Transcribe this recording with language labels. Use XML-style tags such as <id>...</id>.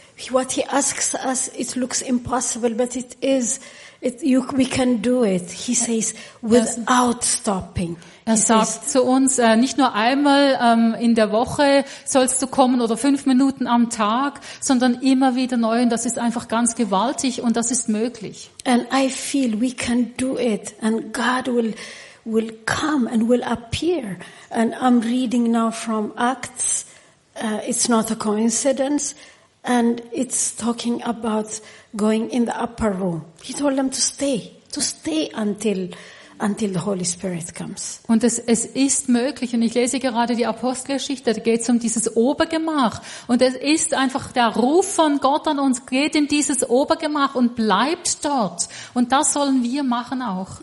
<en>What he asks us, it looks impossible, but it is. We can do it. He says without stopping.</en> <de>Er sagt zu uns, nicht nur einmal in der Woche sollst du kommen oder 5 Minuten am Tag, sondern immer wieder neu. Und das ist einfach ganz gewaltig und das ist möglich.</de> <en>And I feel we can do it, and God will come and will appear. And I'm reading now from Acts. It's not a coincidence, and it's talking about going in the upper room. He told them to stay until the Holy Spirit comes.</en> <de>Und es ist möglich, und ich lese gerade die Apostelgeschichte, da geht es um dieses Obergemach, und es ist einfach der Ruf von Gott an uns, geht in dieses Obergemach und bleibt dort, und das sollen wir machen auch.</de>